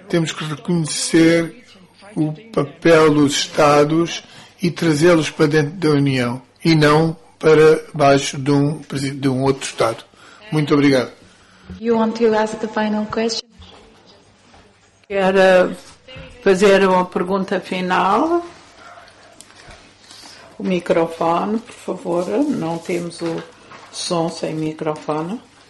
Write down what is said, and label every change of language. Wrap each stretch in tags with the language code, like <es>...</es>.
<pt>Temos que reconhecer o papel dos Estados e trazê-los para dentro da União e não para baixo de um outro Estado. Muito obrigado.</pt> <en>You want to ask the final question?</en> <pt>Quero fazer uma pergunta final. O microfone, por favor. Não temos o som sem microfone.</pt>